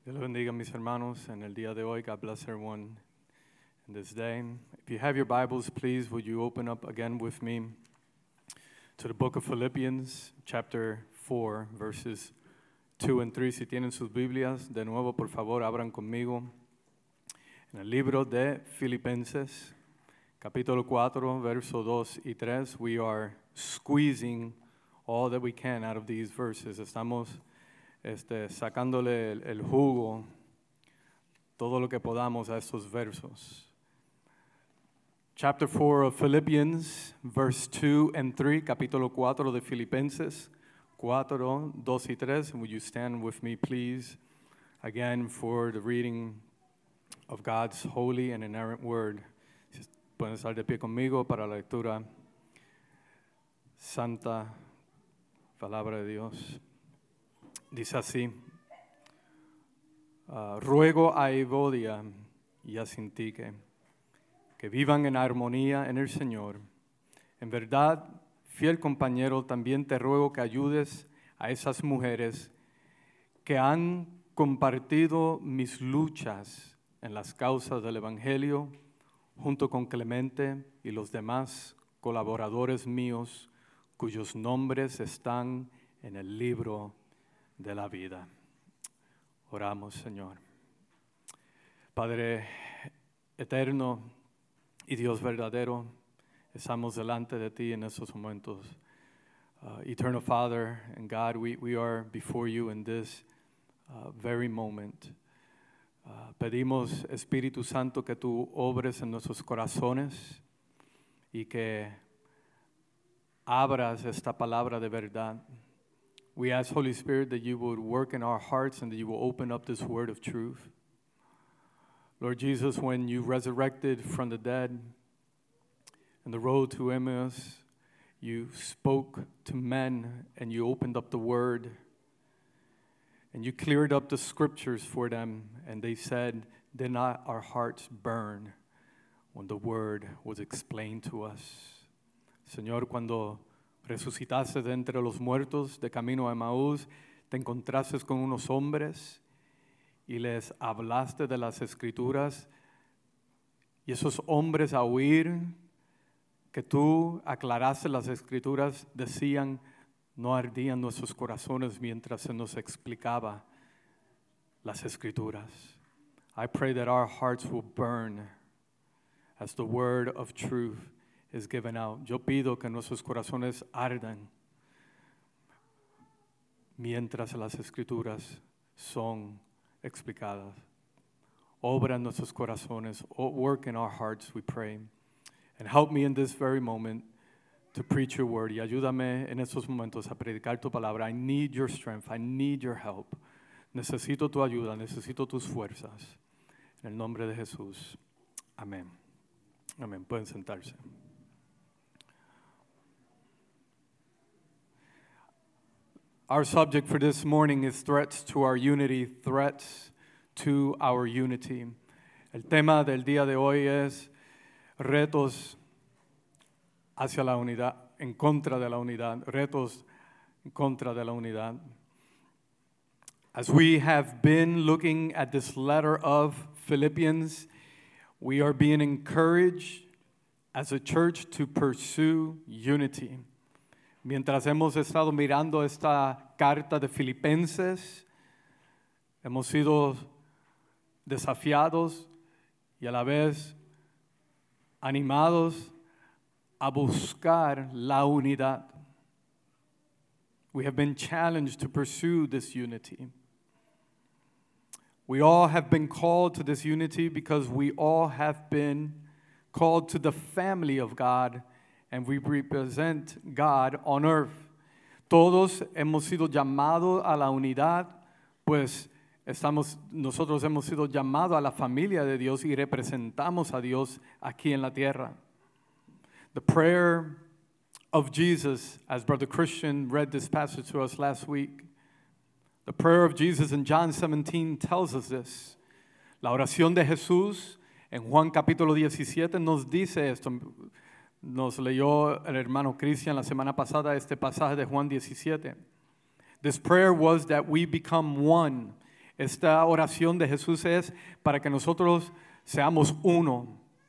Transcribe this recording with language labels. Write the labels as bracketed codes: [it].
[es] Dios bendiga mis hermanos en el día de hoy. [en] God bless everyone in this day. If you have your Bibles, please, would you open up again with me to the book of Philippians, chapter 4, verses 2 and 3. [es] Si tienen sus Biblias, de nuevo, por favor, abran conmigo en el libro de Filipenses, capítulo 4, verso 2 y 3. [en] We are squeezing all that we can out of these verses. [es] Estamos sacándole el jugo, todo lo que podamos a estos versos. [en] Chapter 4 of Philippians, verse 2 and 3, [es] capítulo 4 de Filipenses, 4, 2 y 3. [en] Would you stand with me, please, again for the reading of God's holy and inerrant word. [es] Pueden estar de pie conmigo para la lectura santa palabra de Dios. Dice así, ruego a Evodia y a Sintique que vivan en armonía en el Señor. En verdad, fiel compañero, también te ruego que ayudes a esas mujeres que han compartido mis luchas en las causas del Evangelio junto con Clemente y los demás colaboradores míos cuyos nombres están en el libro de la vida. Oramos, Señor. Padre eterno y Dios verdadero, estamos delante de ti en estos momentos. [en] Eternal Father and God, we are before you in this very moment. [es] Pedimos, Espíritu Santo, que tú obres en nuestros corazones y que abras esta palabra de verdad. [en] We ask, Holy Spirit, that you would work in our hearts and that you will open up this word of truth. Lord Jesus, when you resurrected from the dead and the road to Emmaus, you spoke to men and you opened up the word and you cleared up the scriptures for them, and they said, did not our hearts burn when the word was explained to us? [es] Señor, cuando resucitaste de entre los muertos de camino a Emaús, te encontraste con unos hombres y les hablaste de las Escrituras, y esos hombres, a oír que tú aclaraste las Escrituras, decían, no ardían nuestros corazones mientras se nos explicaba las Escrituras. [en] I pray that our hearts will burn as the word of truth is given out. [es] Yo pido que nuestros corazones ardan mientras las Escrituras son explicadas. Obra en nuestros corazones, [en] work in our hearts, we pray. And help me in this very moment to preach your word. [es] Y ayúdame en estos momentos a predicar tu palabra. [en] I need your strength, I need your help. [es] Necesito tu ayuda, necesito tus fuerzas. En el nombre de Jesús, amén. Amén. Pueden sentarse. [en] Our subject for this morning is threats to our unity, threats to our unity. [es] El tema del día de hoy es retos hacia la unidad, en contra de la unidad, retos en contra de la unidad. [en] As we have been looking at this letter of Philippians, we are being encouraged as a church to pursue unity. [es] Mientras hemos estado mirando esta carta de Filipenses, hemos sido desafiados y a la vez animados a buscar la unidad. [en] We have been challenged to pursue this unity. We all have been called to this unity because we all have been called to the family of God, and we represent God on earth. [es] Todos hemos sido llamados a la unidad, pues nosotros hemos sido llamados a la familia de Dios y representamos a Dios aquí en la tierra. [en] The prayer of Jesus, as Brother Christian read this passage to us last week, the prayer of Jesus in John 17 tells us this. [es] La oración de Jesús en Juan capítulo 17 nos dice esto. Nos leyó el hermano Cristian la semana pasada este pasaje de Juan 17. [en] This prayer was that we become one [es] Esta oración de Jesús es para que nosotros seamos uno.